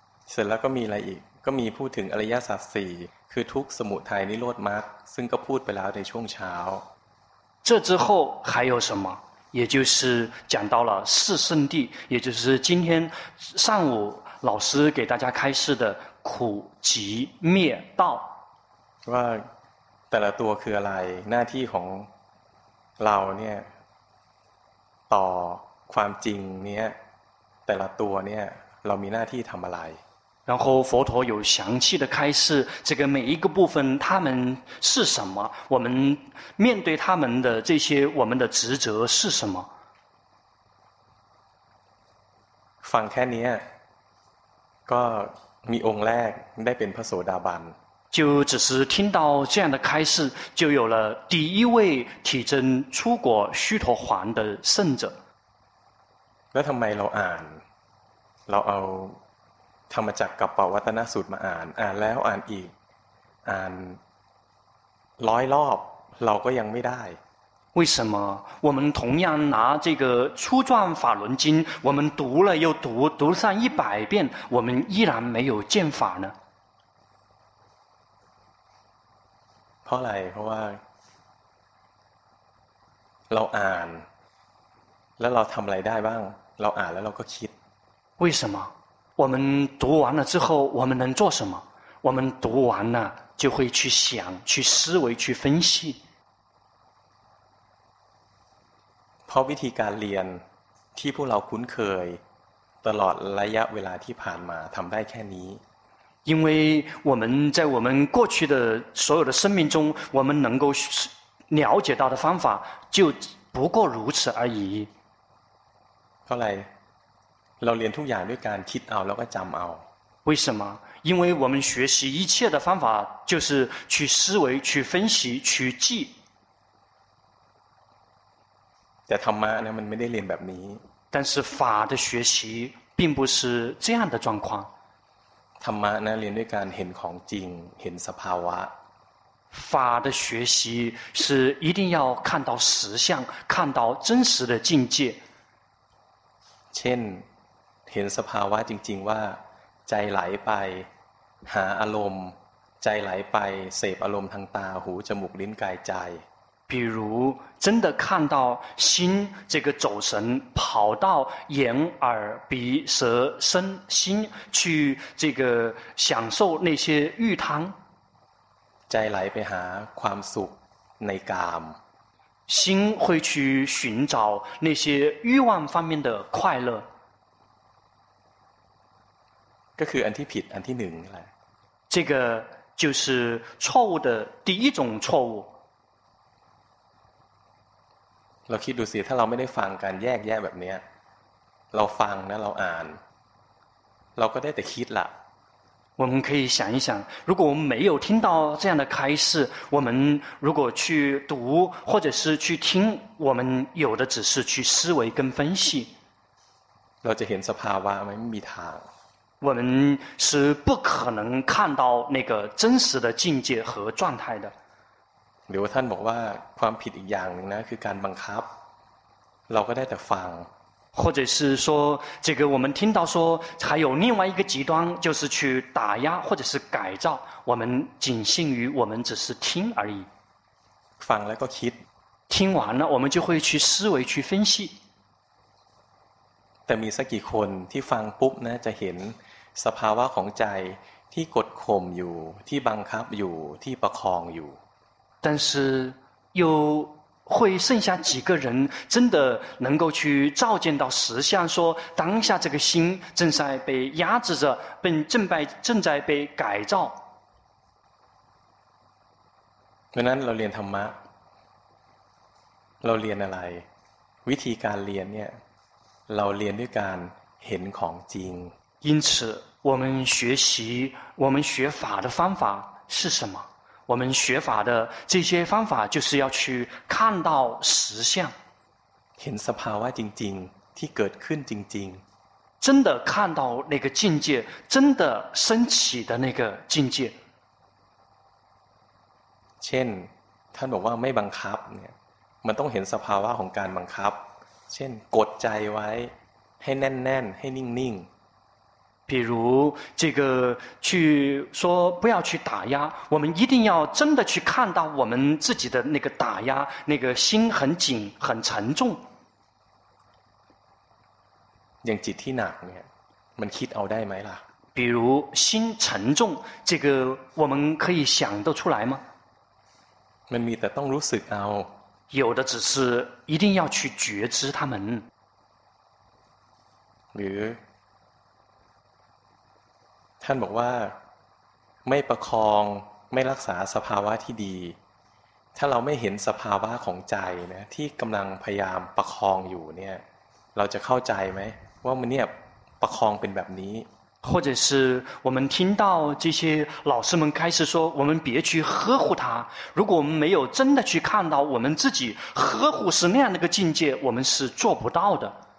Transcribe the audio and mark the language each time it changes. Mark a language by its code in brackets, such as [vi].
[th] เสร็จแล้วก็มีอะไรอีกก็มีพูดถึงอริยสัจ4คือทุกข์สมุทัยนิโรธมรรคซึ่งก็พูดไปแล้วในช่วงเช้า [zh] 这之后还有什么也就是讲到了四圣谛也就是今天上午老师给大家开示的苦集灭道 [th] ว่าแต่ละตัวคืออะไรหน้าที่ของเราเนี่ยต่อความจริงเนี่ยแต่ละตัวเนี่ยเรามีหน้าที่ทำอะไร [zh] 然后佛陀有详细的开示这个每一个部分他们是什么我们面对他们的这些我们的职责是什么 [th] ฟังแค่นี้ก็มีองค์แรกได้เป็นพระโสดาบัน [zh] 就只是听到这样的开示就有了第一位体证出果须陀洹的圣者 [th] แล้วทำไมเราอ่านเราเอาธรรมจักรกัปปวัตตนสูตรมาอ่านอ่านแล้วอ่านอีกอ่านร้อยรอบเราก็ยังไม่ได้ [zh] 为什么我们同样拿这个初转法轮经我们读了又读读上一百遍我们依然没有见法呢 [th] เพราะอะไรเพราะว่าเราอ่านแล้วเราทำอะไรได้บ้างเราอ่านแล้วเราก็คิด [zh] 为什么我们读完了之后我们能做什么我们读完了就会去想去思维去分析 [th] เพราะวิธีการเรียนที่พวกเราคุ้นเคยตลอดระยะเวลาที่ผ่านมาทำได้แค่นี้ [zh] 因为我们在我们过去的所有的生命中我们能够了解到的方法就不过如此而已 [th] เพราะอะไรเราเรียนทุกอย่างด้วยการคิดเอาแล้วก็จำเอา [zh] 为什么因为我们学习一切的方法就是去思维去分析去记 [th] แต่ธรรมะเนี่ยมันไม่ได้เรียนแบบนี้ [zh] 但是法的学习并不是这样的状况 [th] ธรรมะนะเรียนด้วยการเห็นของจริงเห็นสภาวะ [zh] 法的学习是一定要看到实相看到真实的境界 [th] เช่นเห็นสภาวะจริงๆว่าใจไหลไปหาอารมณ์ใจไหลไปเสพอารมณ์ทางตาหูจมูกลิ้นกายใจ [zh] 比如真的看到心这个走神跑到眼耳鼻舌身心去这个享受那些欲贪 [th] ใจไหลไปหาความสุขในกาม [zh] 心会去寻找那些欲望方面的快乐 [th] ก็คืออันที่ผิดอันที่หนึ่งแหละ [zh] 这个就是错误的第一种错误。 [th] เราคิดดูสิถ้าเราไม่ได้ฟังการแยกแยะแบบนี้เราฟังนะเราอ่านเราก็ได้แต่คิดละ [zh] 我们可以想一想，如果我们没有听到这样的开示，我们如果去读或者是去听，我们有的只是去思维跟分析。 [th] เราจะเห็นสภาวะไม่มีทาง。 [zh] 我们是不可能看到那个真实的境界和状态的。 [th] หรือว่าท่านบอกว่าความผิดอีกอย่างนะคือการบังคับเราก็ได้แต่ฟัง [zh] 或者是说这个我们听到说还有另外一个极端就是去打压或者是改造我们仅限于我们只是听而已 [th] ฟังแล้วก็คิด [zh] 听完了我们就会去思维去分析 [th] แต่มีสักกี่คนที่ฟังปุ๊บนะจะเห็นสภาวะของใจที่กดข่มอยู่ที่บังคับอยู่ที่ประคองอยู่ [zh] 但是又会剩下几个人真的能够去照见到实相说当下这个心正在被压制着正在被改造 [th] เพราะนั้นเราเรียนธรรมะเราเรียนอะไรวิธีการเรียนเนี่ยเราเรียนด้วยการเห็นของจริง [zh] 因此我们学习我们学法的方法是什么我们学法的这些方法就是要去看到实相 [th] เห็นสภาวะจริงๆที่เกิดขึ้นจริง [zh] ๆ真的看到那个境界真的升起的那个境界 [th] เช่นท่านบอกว่าไม่บังคับเนี่ยมันต้องเห็นสภาวะของการบังคับเช่นกดใจไว้ให้แน่นๆให้นิ่งๆ [zh] 比如这个去说不要去打压我们一定要真的去看到我们自己的那个打压那个心很紧很沉重 [th] อย่างจิตที่หนักเนี่ยมันคิดเอาได้ไหมล่ะ [zh] 比如心沉重这个我们可以想得出来吗 [th] มันมีแต่ต้องรู้สึกเอา [zh] 有的只是一定要去觉知他们 [th] หรือท่านบอกว่าไม่ประคองไม่รักษาสภาวะที่ดีถ้าเราไม่เห็นสภาวะของใจนะที่กำลังพยายามประคองอยู่เนี่ยเราจะเข้าใจไหมว่ามันเนี่ยประคองเป็นแบบนี้ [zh] 或者是我们听到这些老师们开始说我们别去呵护它如果我们没有真的去看到我们自己呵护是那样的一个境界我们是做不到的